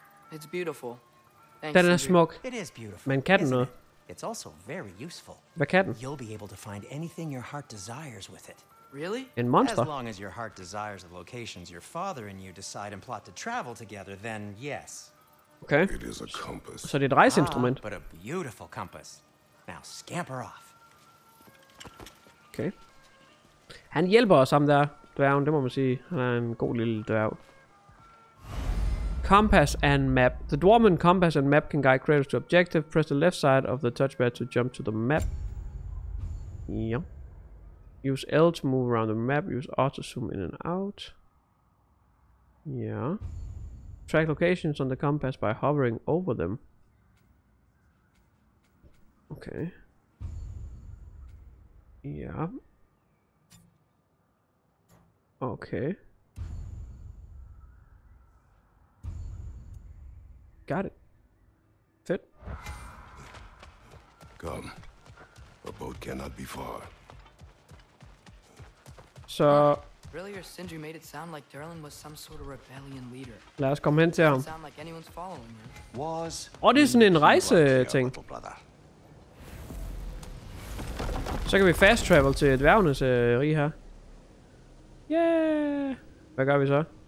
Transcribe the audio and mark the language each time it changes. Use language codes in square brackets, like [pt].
[en] It's beautiful. [da] Thanks. Den er smuk. [en] It is beautiful. [da] Men kan den noget? [en] It's also very useful. [da] Hvad kan den? [en] You'll be able to find anything your heart desires with it. Really? [da] En monster? [en] As long as your heart desires the locations your father and you decide and plot to travel together, then yes. Okay. It is a compass. [da] Så det er et rejseinstrument. [en] Ah, but a beautiful compass. Now scamper off. Okay. [da] Han hjælper os, ham der dværgen, det må man sige. Han er en god lille dværg. [en] Compass and map. The dwarven compass and map can guide creatures to objective. Press the left side of the touchpad to jump to the map. Yeah. Use L to move around the map. Use R to zoom in and out. Yeah. Track locations on the compass by hovering over them. Okay. Yeah. Okay. Got it. Fit. Come. A boat cannot be far. So. Really, your Sindri made it sound like Derlin was some sort of rebellion leader. [da] Lad os komme hen til ham. [en] Sound like anyone's following you. Was. [da] Og det er sådan en rejse ting. Så kan vi [en] fast travel [da] til dværgenes rige her. Yeah. Hvad gør vi så?